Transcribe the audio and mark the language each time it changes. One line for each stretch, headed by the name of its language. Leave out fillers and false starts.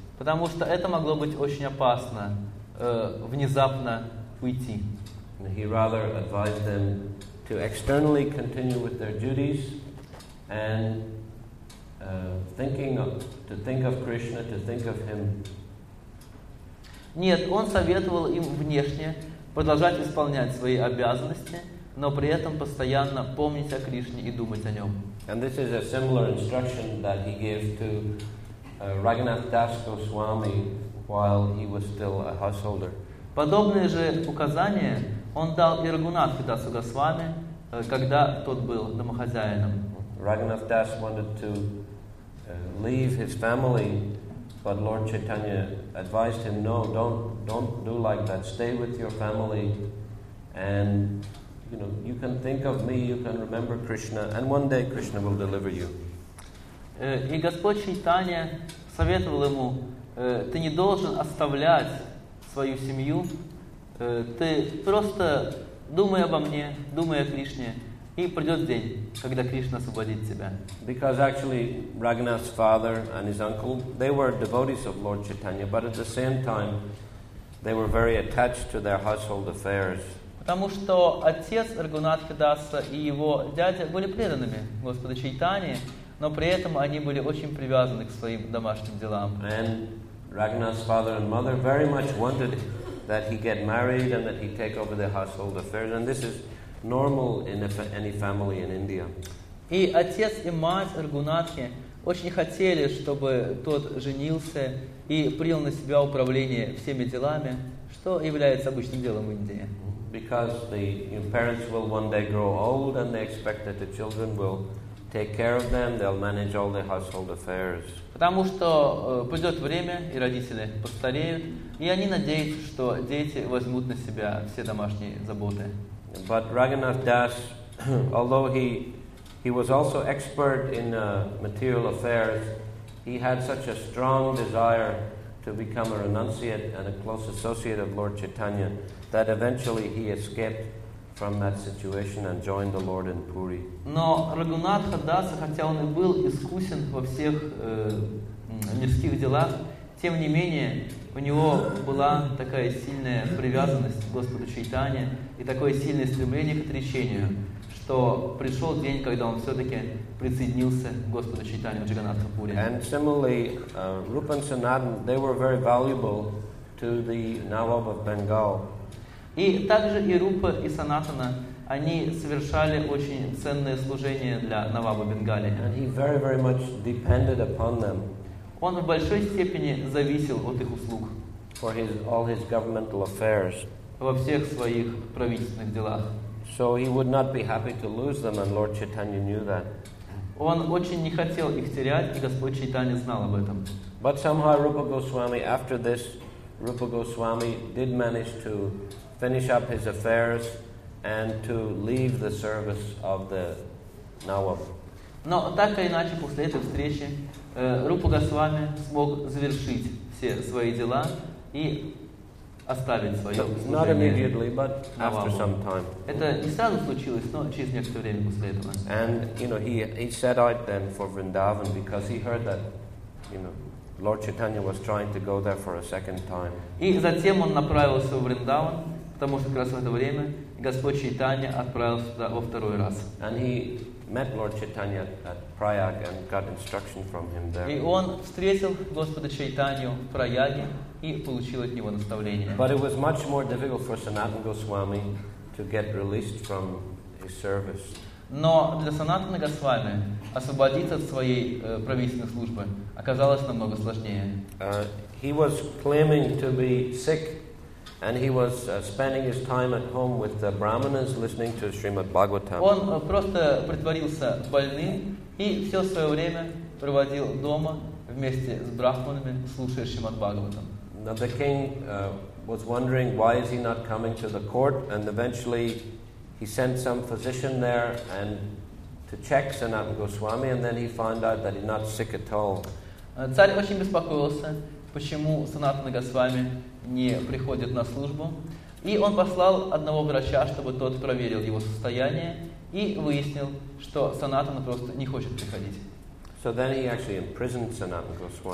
Russian: Потому что это могло быть очень опасно внезапно уйти.
English: He rather advised them to externally continue with their duties and to think of Krishna, to think of him.
Russian: Нет, он советовал им внешне продолжать исполнять свои обязанности, но при этом постоянно помнить о Кришне и думать о нем.
English: And this is a similar instruction that he gave to Raghunath Das Goswami while he was still a householder.
Russian: Подобные же указания он дал и Рагунатху Дасу Госвами, когда тот был домохозяином.
English: Raghunath Das wanted to leave his family, but Lord Chaitanya advised him, "No, don't do like that. Stay with your family, and you know you can think of me. You can remember Krishna, and one day Krishna will deliver you."
Russian: И Господь Чайтанья советовал ему: "Ты не должен оставлять свою семью. Ты просто думай обо мне, думай о Кришне." И придет день, когда Кришна освободит тебя.
English: Because actually, Raghunath's father and his uncle, they were devotees of Lord Chaitanya, but at the same time, they were very attached to their household affairs.
Russian: Потому что отец Рагунатха Даса и его дядя были преданными Господу Чайтанье, но при этом они были очень привязаны к своим домашним делам.
English: And Raghunath's father and mother very much wanted that he get married and that he take over the household affairs. And this is normal in any family in India.
Russian: И отец и мать Рагунатхи очень хотели, чтобы тот женился и принял на себя управление всеми делами, что является обычным делом в Индии.
English: Because the parents will one day grow old and they expect that the children will take care of them, they'll manage all their household affairs.
Russian: Потому что пойдет время, и родители постареют, и они надеются, что дети возьмут на себя все домашние заботы.
English: But Raghunath Das, although he was also expert in material affairs, he had such a strong desire to become a renunciate and a close associate of Lord Chaitanya that eventually he escaped from that situation and joined the Lord in Puri.
Russian: Но Рагунатха Даса, хотя он и был искусен во всех мирских делах, тем не менее у него была такая сильная привязанность к Господу Чайтане и такое сильное стремление к отречению, что пришел день, когда он все-таки присоединился к Господу Чайтане в Джаганнатха Пури.
English: And similarly, Rupa and Sanatan, they were very valuable to the Nawab of Bengal.
Russian: И также и Рупа, и Санатана, они совершали очень ценное служение для Наваба Бенгалии.
English: And he very, very much depended upon them.
Russian: Он в большой степени зависел от их услуг.
English: For his, all his governmental affairs.
Russian: Во всех своих правительственных делах.
English: So he would not be happy to lose them, and Lord Chaitanya knew that.
Russian: Он очень не хотел их терять, и Господь Чайтанья знал об этом.
English: But somehow Rupa Goswami, after this, Rupa Goswami did manage to finish up his affairs and to leave the service of the Nawab.
Russian: Но так или иначе после этой встречи Рупа Госвами смог завершить все свои дела и оставить свое служение.
English: Not immediately, but after some time.
Russian: Это не сразу случилось, но через некоторое время после этого.
English: And you know he set out then for Vrindavan because he heard that you know Lord Chaitanya was trying to go there for a second time.
Russian: И затем он направился в Вриндаван. Потому что как раз в это время Господь Чайтанья отправился туда во второй раз.
English: And he met Lord Chaitanya at Prayag and got instruction from him there.
Russian: И он встретил Господа Чайтанью в Праяге и получил от него наставление.
English: But it was much more difficult for Sanatana Goswami to get released from his service.
Russian: Но для Санатана Госвами освободиться от своей правительственной службы оказалось намного сложнее.
English: He was claiming to be sick. And he was spending his time at home with the brahmanas listening to Srimad Bhagavatam.
Russian: Он просто притворился больным и все свое время проводил дома вместе с брахманами, слушая Шримад Бхагаватам.
English: Now the king was wondering why is he not coming to the court, and eventually he sent some physician there and to check Sanatana Goswami, and then he found out that he's not sick at all.
Russian: Царь очень беспокоился, почему Санатана Госвами не приходит на службу. И он послал одного врача, чтобы тот проверил его состояние и выяснил, что Санатана просто не хочет приходить.
English: So then he actually imprisoned Sanatana Goswami.